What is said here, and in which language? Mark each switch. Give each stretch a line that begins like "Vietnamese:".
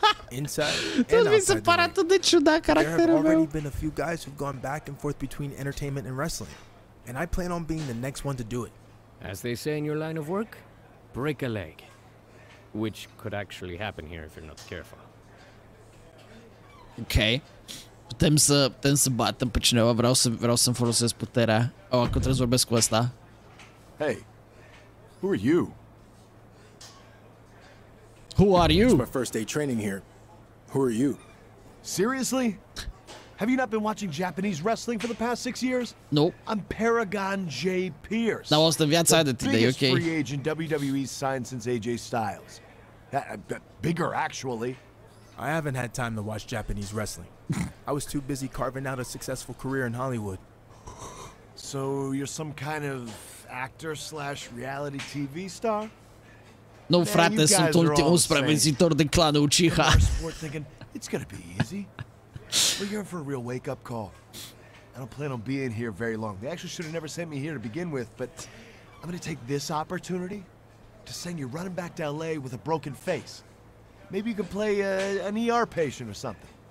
English: Inside and outside the ring. There have already been a few guys who've gone back and forth between entertainment and wrestling. And I plan on being the next one to do it. As they say in your line of work, break a leg. Which could actually happen here if you're not careful. Okay.
Romanian: Putem să batem pe cineva, vreau să-mi folosesc puterea. Oh, că trebuie să vorbesc cu ăsta.
English: Hey, who are you? Who are you? It's my first day training here. Who are you? Seriously? Have you not been watching Japanese wrestling for the past 6 years? Nope. I'm Paragon J. Pierce. Now what's the
Romanian: viața de
English: today, okay? The biggest free agent WWE signed since AJ Styles. Bigger, actually. I haven't had time to watch Japanese wrestling. I was too busy carving out a successful career in Hollywood. So you're some kind of actor slash reality TV star? No, man,
Romanian: frate, sunt ultimul supraviețuitor de clanul Uchiha.
English: It's gonna be easy. We're here for a real wake-up call. I don't plan on being here very long. They actually should have never sent me here to begin with, but I'm gonna take this opportunity to send you running back to LA with a broken face. Maybe you can play an ER patient or something.